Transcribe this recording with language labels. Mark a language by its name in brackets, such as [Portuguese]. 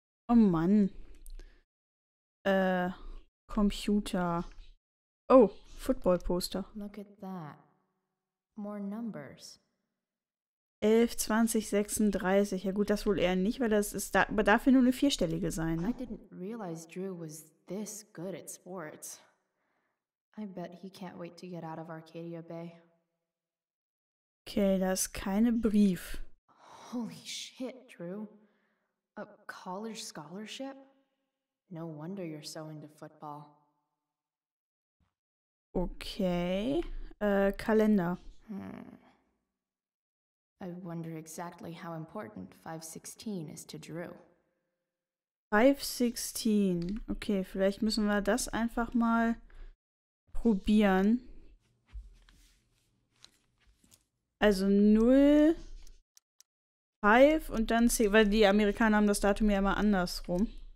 [German] Oh Mann. [English] Computer. Oh, Football Poster. Look at that. More numbers. 11, 20, 36. [German] Ja gut, das wohl eher nicht, weil das ist da, aber dafür nur eine vierstellige sein. Ne? [English] I didn't realize Drew was this good at sports. I bet he can't wait to get out of Arcadia Bay. [German] Okay, das ist keine Brief. [English] Holy shit, Drew. A college scholarship? No wonder you're so into football. [German] Okay. Kalender. [English] I wonder exactly how important 516 is to Drew. 516. [German] Okay, vielleicht müssen wir das einfach mal probieren. Also 0... 5 und dann 10, weil die Amerikaner haben das Datum ja immer andersrum.